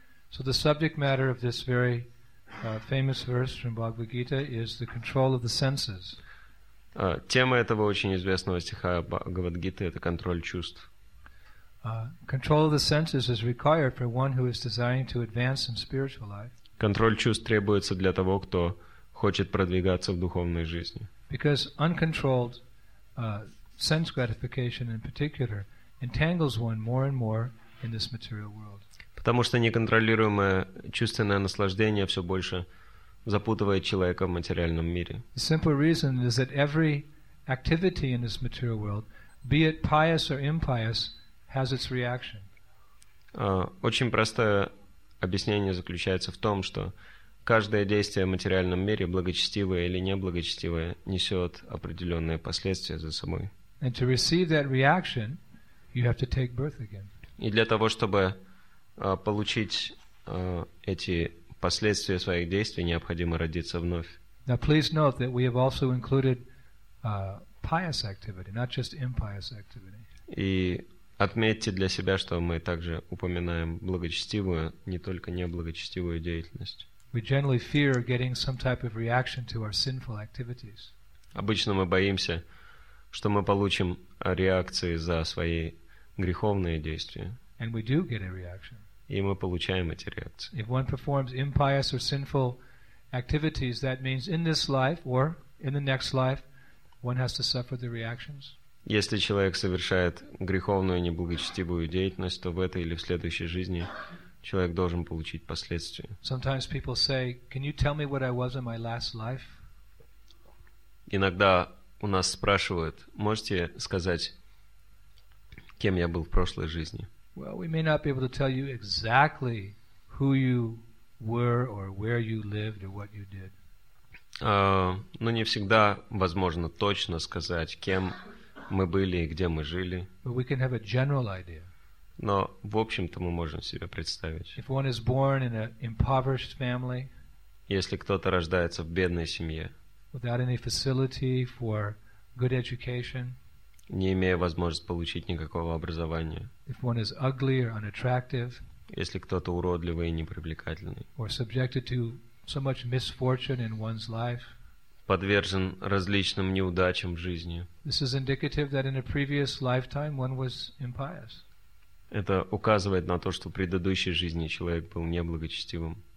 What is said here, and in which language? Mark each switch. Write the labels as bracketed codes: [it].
[en] So the subject matter of this very famous verse from Bhagavad Gita is the control of the senses. [ru] Тема этого очень известного стиха Бхагавад Гиты – это контроль чувств. [en] Control of the senses is required for one who is desiring to advance in spiritual life. [ru] Контроль чувств требуется для того, кто хочет продвигаться в духовной жизни. [en] Because uncontrolled sense gratification, in particular, entangles one more and more in this material world. [ru] Потому что неконтролируемое чувственное наслаждение все больше запутывает человека в материальном мире. [en] The simple reason is that every activity in this material world, be it pious or impious, has its reaction. [ru] Очень простое объяснение заключается в том, что каждое действие в материальном мире, благочестивое или неблагочестивое, несет определенные последствия за собой. [en] And to receive that reaction, you have to take birth again. [ru] И для того, чтобы получить эти последствия своих действий, необходимо родиться вновь. [en] Now please note that we have also included pious activity, not just impious activity. [ru] И отметьте для себя, что мы также упоминаем благочестивую, не только неблагочестивую деятельность. [en] We generally fear getting some type of reaction to our sinful activities. [ru] Обычно мы боимся, что мы получим реакции за свои греховные действия. [en] And we do get a reaction. [ru] И мы получаем эти реакции. [en] If one performs impious or sinful activities, that means in this life or in the next life, one has to suffer the reactions. [ru] Если человек совершает греховную неблагочестивую деятельность, то в этой или в следующей жизни человек должен получить последствия. [en] Sometimes people say, "Can you tell me what I was in my last life?" [ru] Иногда у нас спрашивают: "Можете сказать, кем я был в прошлой жизни?" [en] Well, we may not be able to tell you exactly who you were or where you lived or what you did. [ru] Но не всегда возможно точно сказать, кем мы были и где мы жили. [en] But we can have a general idea. [ru] Но в общем-то мы можем себе представить. [en] If one is born in an impoverished family, [ru] если кто-то рождается в бедной семье, [en] without any facility for good education, [ru] не имея возможности получить никакого образования, [en] if one is ugly or unattractive, [ru] если кто-то уродливый и непривлекательный, [en] or subjected to so much misfortune in one's life, [ru] подвержен различным неудачам в жизни, [en] this is indicative that in a previous lifetime one was impious. [ru] Это указывает на то, что в предыдущей жизни человек был неблагочестивым.